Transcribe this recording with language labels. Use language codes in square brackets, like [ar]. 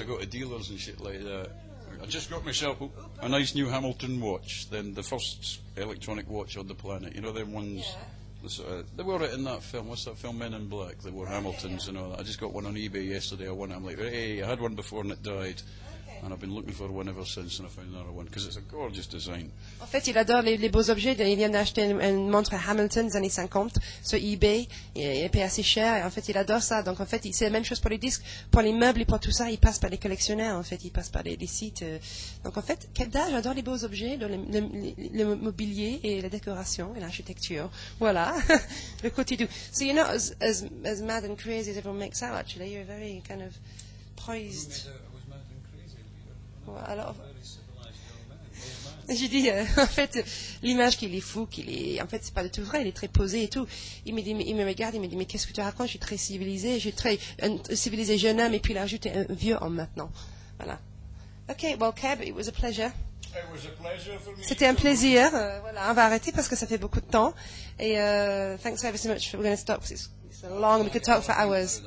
[en] I go to dealers and shit like that. I just got myself a nice new Hamilton watch, then the first electronic watch on the planet. You know them ones... Yeah. They were it in that film. What's that film, Men in Black? They were Hamiltons and all that. I just got one on eBay yesterday. I won it. I'm like, hey, I had one before and it died. Okay. And I've been looking for one ever since and I found another one because it's a gorgeous design. [fr] En fait, il adore les beaux objets. Il vient d'acheter une montre Hamilton des années 50 sur eBay. Il paye assez cher. En fait, il adore ça. Donc, en fait, c'est la même chose pour les disques, pour les meubles et pour tout ça. Il passe par les collectionneurs, en fait. Il passe par les sites. Donc, en fait, Kedda, j'adore les beaux objets, le mobilier et la décoration et l'architecture. Voilà. Le côté doux. [en] So, you're not as mad and crazy as everyone makes out, actually. You're very kind of poised. I was mad and crazy. [fr] Well, alors... J'ai dit, en fait, l'image qu'il est fou, qu'il est... En fait, c'est pas du tout vrai, il est très posé et tout. Il me dit, il me regarde, il me dit, mais qu'est-ce que tu racontes? Je suis très civilisé, je suis très civilisé jeune homme, et puis il ajoute un vieux homme maintenant. [en] Voilà. OK, well, Keb, it was a pleasure. It was a pleasure for me. [fr] C'était un plaisir. Voilà, on va arrêter parce que ça fait beaucoup de temps. [en] Et thanks ever so much. We're going to stop because it's a long, we could talk for hours.